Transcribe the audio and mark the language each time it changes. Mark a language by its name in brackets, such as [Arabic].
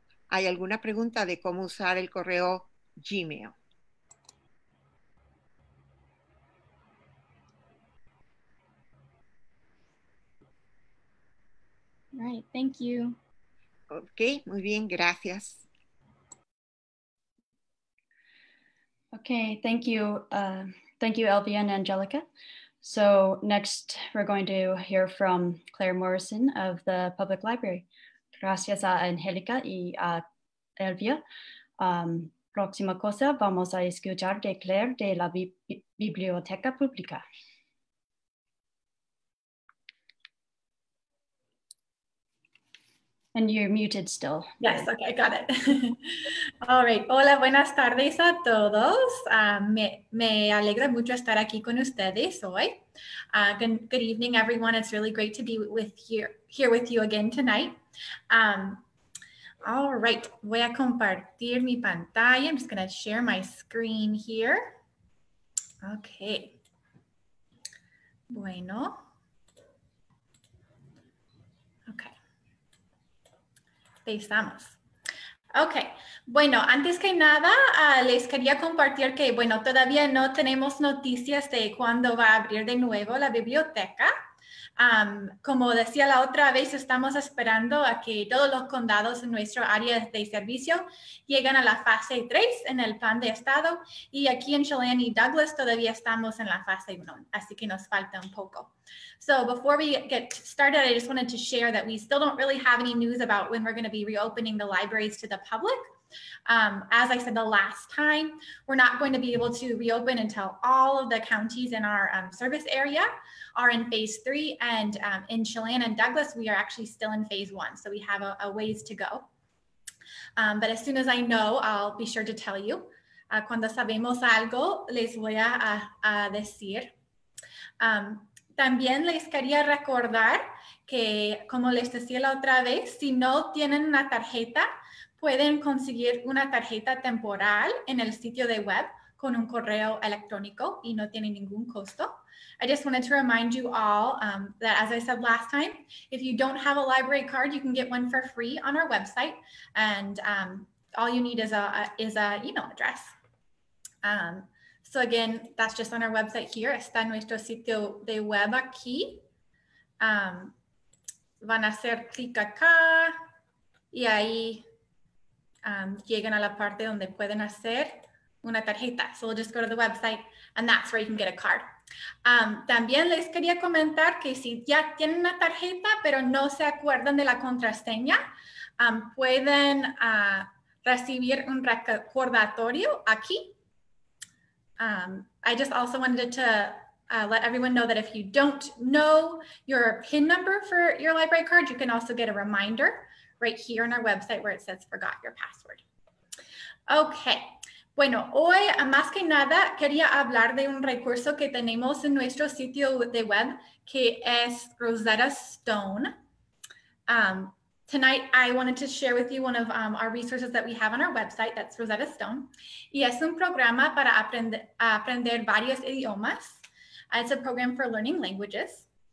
[Spanish] ¿Hay alguna pregunta de cómo usar el correo Gmail? [English] Right, thank you. [Spanish] Okay, muy bien, gracias. [English] Okay, thank you. Thank you, Elvia and Angelica. So next, we're going to hear from Claire Morrison of the Public Library. [Spanish] Gracias a Angelica y a Elvia. Próxima cosa, vamos a escuchar de Claire de la Biblioteca Pública. [English] And you're muted still. Yes, okay, got it. All right. [Spanish] Hola, buenas tardes a todos. Me alegra mucho estar aquí con ustedes hoy. [English] Good evening, everyone. It's really great to be here with you again tonight. All right. [Spanish] Voy a compartir mi pantalla. [English] I'm just going to share my screen here. [Spanish] Okay. Bueno. Estamos. Ok, bueno, antes que nada les quería compartir que, bueno, todavía no tenemos noticias de cuándo va a abrir de nuevo la biblioteca, Como decía la otra vez, estamos esperando a que todos los condados en nuestro área de servicio lleguen a la fase 3 en el plan de estado, y aquí en Chelan y Douglas todavía estamos en la fase 1, así que nos falta un poco. [English] So before we get started, I just wanted to share that we still don't really have any news about when we're going to be reopening the libraries to the public. As I said the last time, we're not going to be able to reopen until all of the counties in our service area are in phase 3, and in Chelan and Douglas, we are actually still in phase 1, so we have a ways to go. But as soon as I know, I'll be sure to tell you. [Spanish] Cuando sabemos algo, les voy a decir. También les quería recordar que, como les decía la otra vez, si no tienen una tarjeta, pueden conseguir una tarjeta temporal en el sitio de web con un correo electrónico y no tiene ningún costo. [English] I just wanted to remind you all that, as I said last time, if you don't have a library card, you can get one for free on our website, and all you need is a email address. So again, that's just on our website here. [Spanish] Está nuestro sitio de web aquí. Van a hacer clic acá y ahí llegan a la parte donde pueden hacer una tarjeta. [English] So we'll just go to the website, and that's where you can get a card. [Spanish] También les quería comentar que si ya tienen una tarjeta pero no se acuerdan de la contraseña, pueden recibir un recordatorio aquí. [English] I just also wanted to let everyone know that if you don't know your PIN number for your library card, you can also get a reminder right here on our website where it says forgot your password. Okay. [Spanish] Bueno, hoy, más que nada, quería hablar de un recurso que tenemos en nuestro sitio de web, que es Rosetta Stone. [English] Tonight, I wanted to share with you one of our resources that we have on our website, that's Rosetta Stone. [Spanish] Y es un programa para aprender varios idiomas. [English] It's a program for learning languages.